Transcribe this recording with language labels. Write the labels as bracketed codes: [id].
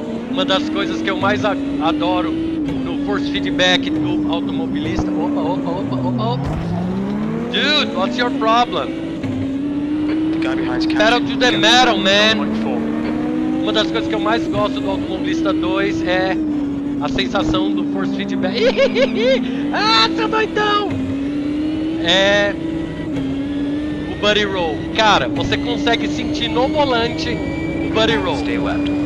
[pt] Uma das coisas que eu mais adoro no force feedback do automobilista. Opa, opa, opa, opa, opa. [en] Dude, what's your problem? Pedal to the metal, man. [pt] Uma das coisas que eu mais gosto do Automobilista 2 é a sensação do force feedback. Ah, seu doidão! É o Buddy Roll. Cara, você consegue sentir no volante o Buddy Roll. [en] Stay left.